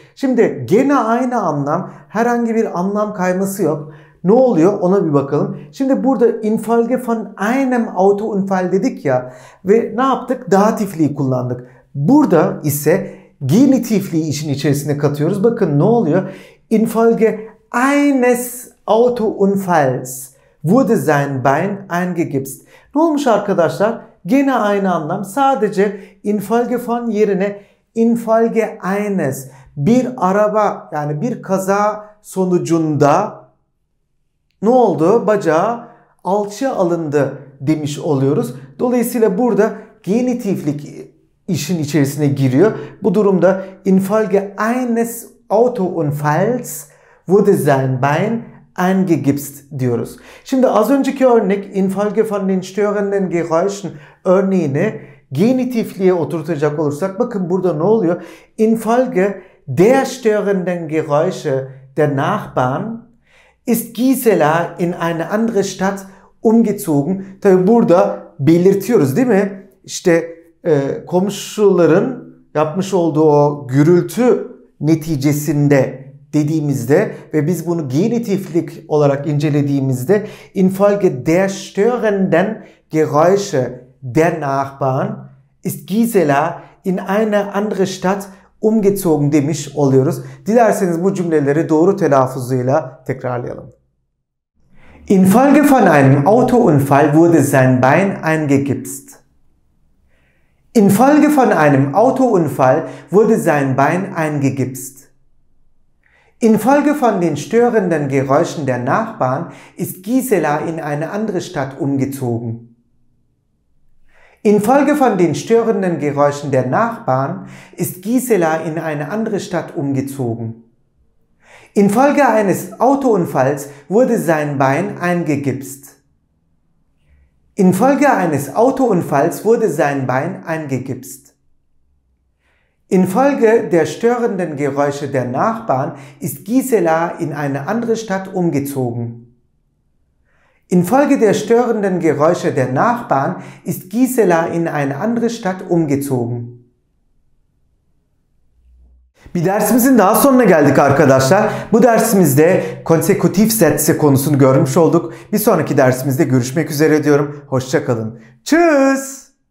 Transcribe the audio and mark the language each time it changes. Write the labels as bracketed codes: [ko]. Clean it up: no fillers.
[tr] Şimdi gene aynı anlam, herhangi bir anlam kayması yok. Ne oluyor ona bir bakalım. Şimdi burada infolge von einem Autounfall dedik ja ve ne yaptık? Dativliği kullandık. Burada ise genitifliği işin içerisine katıyoruz. Bakın ne oluyor? [de] Infolge eines Autounfalls wurde sein Bein eingegipst. [tr] Ne olmuş arkadaşlar? Gene aynı anlam. Sadece infolge von yerine infolge eines, bir araba yani bir kaza sonucunda ne oldu? Bacağı alçı alındı demiş oluyoruz. Dolayısıyla burada genitiflik işin içerisine giriyor. [de] Bu durumda infolge eines Autounfalls wurde sein Bein eingegipst diyoruz. [tr] Şimdi az önceki örnek infolge von den störenden Geräuschen örneğini genitifliğe oturtacak olursak bakın burada ne oluyor? [de] Infolge der störenden Geräusche der Nachbarn ist Gisela in eine andere Stadt umgezogen. [tr] Tabi burada belirtiyoruz değil mi? İşte komşuların yapmış olduğu o gürültü neticesinde dediğimizde ve biz bunu genitiflik olarak incelediğimizde infolge der störenden Geräusche der Nachbarn ist Gisela in eine andere Stadt umgezogen demiş oluyoruz. Dilerseniz bu cümleleri doğru telaffuzuyla tekrarlayalım. [de] Infolge von einem Autounfall wurde sein Bein eingegipst. Infolge von einem Autounfall wurde sein Bein eingegipst. Infolge von den störenden Geräuschen der Nachbarn ist Gisela in eine andere Stadt umgezogen. Infolge von den störenden Geräuschen der Nachbarn ist Gisela in eine andere Stadt umgezogen. Infolge eines Autounfalls wurde sein Bein eingegipst. Infolge eines Autounfalls wurde sein Bein eingegipst. Infolge der störenden Geräusche der Nachbarn ist Gisela in eine andere Stadt umgezogen. Infolge der störenden Geräusche der Nachbarn ist Gisela in eine andere Stadt umgezogen. [tr] Bir dersimizin daha sonuna geldik arkadaşlar. Bu dersimizde konsekutif sätze konusunu görmüş olduk. Bir sonraki dersimizde görüşmek üzere diyorum. Hoşça kalın. Tschüss.